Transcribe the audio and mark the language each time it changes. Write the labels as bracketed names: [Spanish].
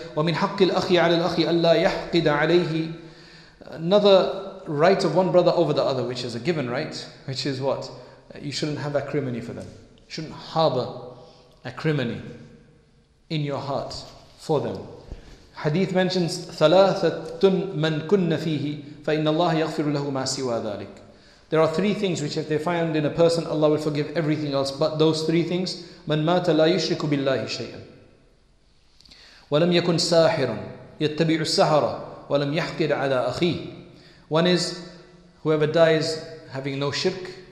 [Arabic] وَمِنْ حَقِّ الْأَخِي عَلَى الْأَخِي أَلَّا يَحْقِدَ عَلَيْهِ. [English] Another right of one brother over the other, which is a given right, which is what? You shouldn't have acrimony for them. You shouldn't harbor acrimony in your heart for them. Hadith mentions [Arabic] ثَلَاثَةٌ مَنْ كُنَّ فِيهِ فَإِنَّ اللَّهَ يَغْفِرُ لَهُ مَا سِوَى ذَلِكَ. [English] There are three things which if they find in a person, Allah will forgive everything else but those three things. [Arabic] مَنْ مَاتَ لَا يُشْرِكُ بِاللَّهِ شَيْئًا وَلَمْ يَكُنْ سَاحِرًا يَتَّبِعُ السَّحَرَ وَلَمْ يَحْقِدْ عَلَىٰ أَخِيهِ. [English] One is whoever dies having no shirk.